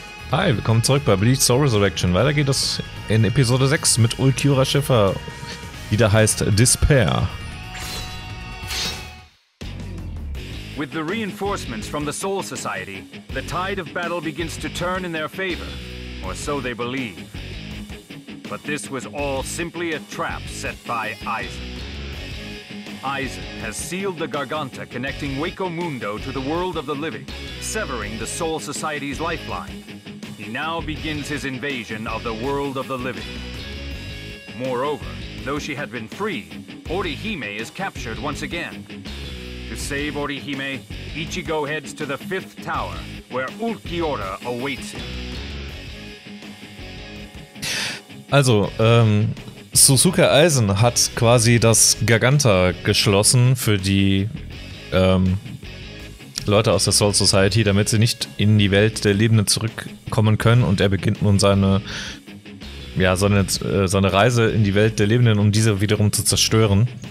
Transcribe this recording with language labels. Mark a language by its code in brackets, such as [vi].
[de] Hi, willkommen zurück bei Bleach Soul Resurrection. Weiter geht es in Episode 6 mit Ulquiorra Schiffer, die da heißt Despair. [en] With the reinforcements from the Soul Society, the tide of battle begins to turn in their favor, or so they believe. But this was all simply a trap set by Aizen. Aizen has sealed the Garganta connecting Waco Mundo to the world of the living, severing the Soul Society's lifeline. He now begins his invasion of the world of the living. Moreover, though she had been free, Orihime is captured once again. To save Orihime, Ichigo heads to the fifth tower, where Ulquiorra awaits him. [de] Also, Suzuka Aizen hat quasi das Garganta geschlossen für die Leute aus der Soul Society, damit sie nicht in die Welt der Lebenden zurückkommen können, und er beginnt nun seine Reise in die Welt der Lebenden, um diese wiederum zu zerstören.